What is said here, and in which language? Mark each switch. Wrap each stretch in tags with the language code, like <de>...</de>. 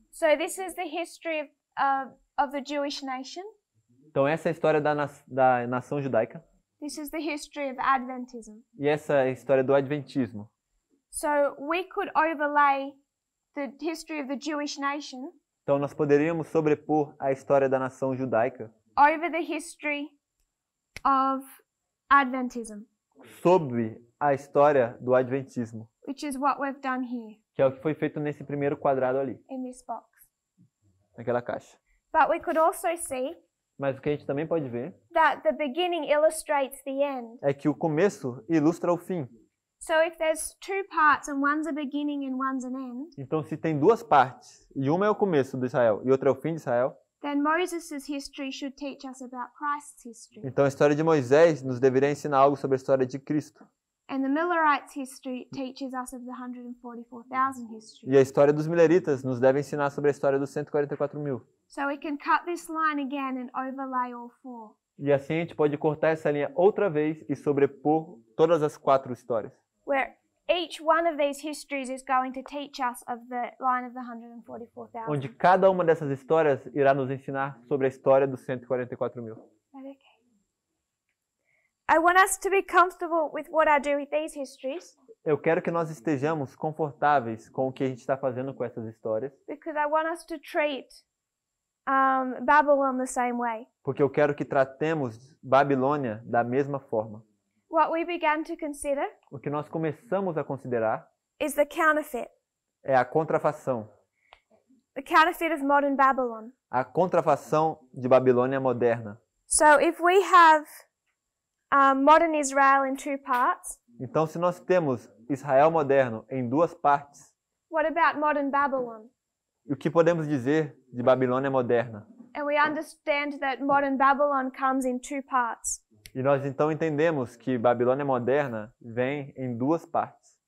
<en>So this is the history of the Jewish nation.</en> <pt>Então essa é a história da nação judaica.</pt> <en>This is the history of Adventism.</en> <pt>E essa é a história do Adventismo.</pt> <en>So we could overlay the history of the Jewish nation.</en> <pt>Então nós poderíamos sobrepor a história da nação judaica.</pt> <en>Over the history of Adventism.</en> <pt>Sobre a história do Adventismo.</pt> <en>Which is what we've done here.</en> <pt>Que é o que foi feito nesse primeiro quadrado ali.</pt> <en>In this box.</en> <pt>Naquela caixa.</pt> <en>But we could also see.</en> <pt>Mas o que a gente também pode ver</pt> <en>that the beginning illustrates the end.</en> <pt>É que o começo ilustra o fim.</pt> <en>So if there's two parts and one's a beginning and one's an end,</en> <pt>então se tem duas partes e uma é o começo de Israel e outra é o fim de Israel,</pt> <en>then Moses's history should teach us about Christ's history.</en> <pt>Então a história de Moisés nos deveria ensinar algo sobre a história de Cristo.</pt> <en>And the Millerites' history teaches us of the 144,000 history.</en> <pt>E a história dos Milleritas nos deve ensinar sobre a história dos 144,000.</pt> <en>So we can cut this line again and overlay all four.</en> <pt>E assim a gente pode cortar essa linha outra vez e sobrepor todas as quatro histórias.</pt> <en>Where each one of these histories is going to teach us of the line of the 144,000.</en> <pt>Onde cada uma dessas histórias irá nos ensinar sobre a história dos 144,000.</pt> <en>I want us to be comfortable with what I do with these histories.</en> <pt>Eu quero que nós estejamos confortáveis com o que a gente está fazendo com essas histórias.</pt> <en>Because I want us to treat Babylon the same way.</en> <pt>Porque eu quero que tratemos Babilônia da mesma forma.</pt> <en>What we began to consider?</en> <pt>O que nós começamos a considerar?</pt> <en>Is the counterfeit.</en> <pt>É a contrafação.</pt> <en>The counterfeit of modern Babylon.</en> <pt>A contrafação de Babilônia moderna.</pt> <en>So if we have modern Israel in two parts.</en> <pt>Então, se nós temos Israel moderno em duas partes.</pt> <en>What about modern Babylon?</en> <pt>O que podemos dizer de Babilônia moderna?</pt> <en>And we understand that modern Babylon comes in two parts.</en> <pt>E nós então entendemos que Babilônia moderna vem em duas partes.</pt>